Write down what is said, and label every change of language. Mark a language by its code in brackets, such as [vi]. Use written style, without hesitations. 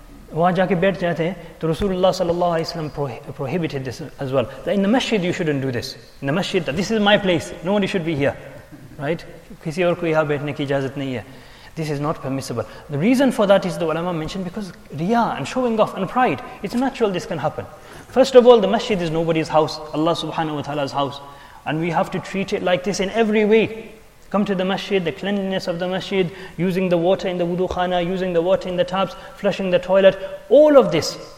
[ur] وہاں جا کے بیٹھ جاتے ہیں تو رسول اللہ صلی اللہ علیہ وسلم [en] prohibited this as well. That in the masjid you shouldn't do this. In the masjid, this is my place. No one should be here. Right? [ur] کسی اور کو یہاں بیٹھنے کی اجازت نہیں ہے. [en] This is not permissible. The reason for that is the ulama mentioned because riya and showing off and pride. It's natural this can happen. First of all, the masjid is nobody's house. Allah subhanahu wa ta'ala's house. And we have to treat it like this in every way. Come to the masjid, the cleanliness of the masjid, using the water in the wudu khana, using the water in the taps, flushing the toilet, all of this.